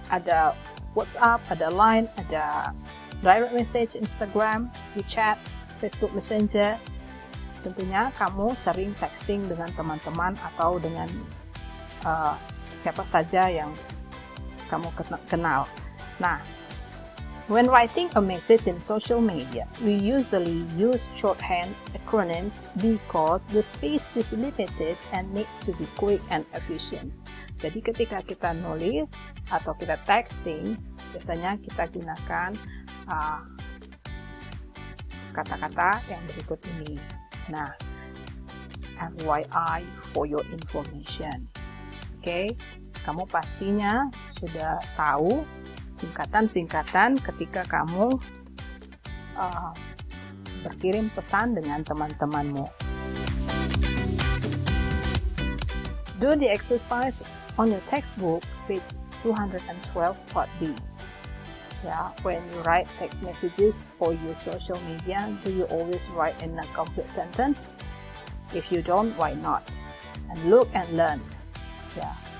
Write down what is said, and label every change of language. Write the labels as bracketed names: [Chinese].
[Indonesian] Ada WhatsApp, ada Line, ada direct message, Instagram, WeChat, Facebook Messenger. Tentunya kamu sering texting dengan teman-teman atau dengan siapa saja yang kamu kenal. [English] Nah, when writing a message in social media, we usually use shorthand acronyms because the space is limited and need to be quick and efficient. [Indonesian] Jadi ketika kita nulis atau kita texting, biasanya kita gunakan kata-kata yang berikut ini. [English] Nah, FYI for your information. [Indonesian] Okay, kamu pastinya sudah tahu singkatan-singkatan ketika kamu berkirim pesan dengan teman-temanmu. [English] Do the exercise on your textbook, page 212, part B. Yeah, when you write text messages for your social media, do you always write in a complete sentence? If you don't, why not? And look and learn. Yeah.